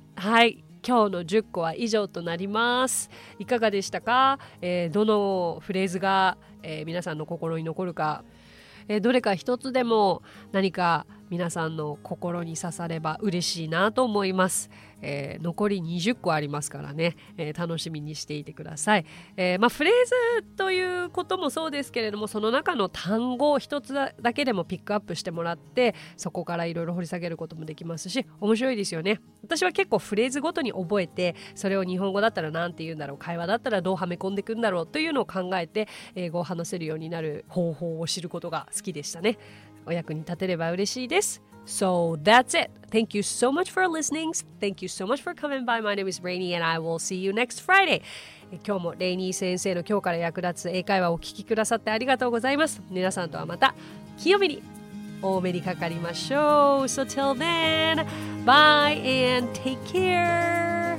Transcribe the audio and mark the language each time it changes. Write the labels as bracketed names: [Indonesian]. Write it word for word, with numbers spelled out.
[Japanese] はい今日のじゅっこは以上となります。いかがでしたか、えー、どのフレーズが、えー、皆さんの心に残るか、えー、どれか一つでも何か皆さんの心に刺されば嬉しいなと思います、えー、残りにじゅっこありますからね、えー、楽しみにしていてください、えーまあ、フレーズということもそうですけれどもその中の単語を一つだけでもピックアップしてもらってそこからいろいろ掘り下げることもできますし面白いですよね。私は結構フレーズごとに覚えてそれを日本語だったらなんて言うんだろう会話だったらどうはめ込んでいくんだろうというのを考えて英語を話せるようになる方法を知ることが好きでしたね。お役に立てれば嬉しいです。 [English] So that's it. Thank you so much for listening. Thank you so much for coming by. My name is Rainy and I will see you next Friday. [Japanese] 今日もレイニー先生の今日から役立つ英会話をお聞きくださってありがとうございます。皆さんとはまた金曜日にお目にかかりましょう。 [English] So till then, bye and take care.